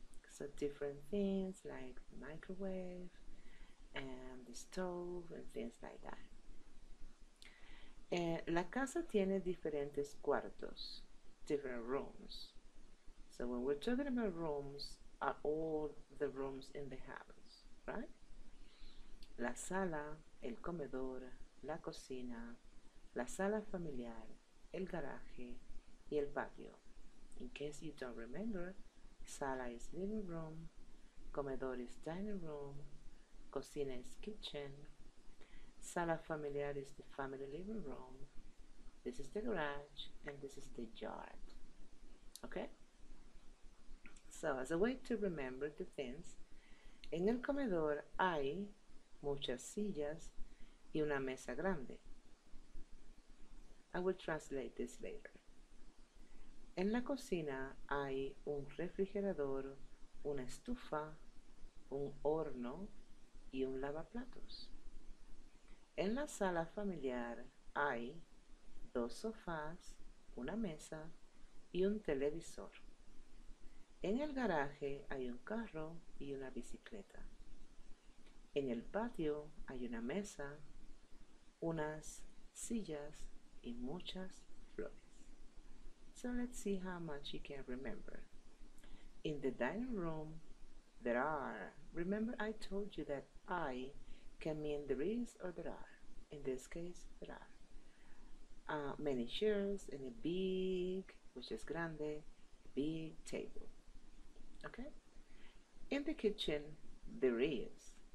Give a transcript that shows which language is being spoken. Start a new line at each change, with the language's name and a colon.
English: So different things like the microwave and the stove and things like that.
Spanish: La casa tiene diferentes cuartos,
English: different rooms. So when we're talking about rooms, are all the rooms in the house, right?
Spanish: La sala, el comedor, la cocina, la sala familiar, el garaje, y el patio.
English: In case you don't remember, sala is living room, comedor is dining room, cocina is kitchen, sala familiar is the family living room, this is the garage, and this is the yard. Okay? So, as a way to remember the things,
Spanish: en el comedor hay muchas sillas y una mesa grande.
English: I will translate this later.
Spanish: En la cocina hay un refrigerador, una estufa, un horno y un lavaplatos. En la sala familiar hay dos sofás, una mesa y un televisor. En el garaje hay un carro y una bicicleta. En el patio hay una mesa, unas sillas y muchas flores.
English: So let's see how much you can remember. In the dining room, there are. Remember I told you that I can mean there is or there are. In this case, there are. Many chairs and a big, which is grande, big table. Okay? In the kitchen, there is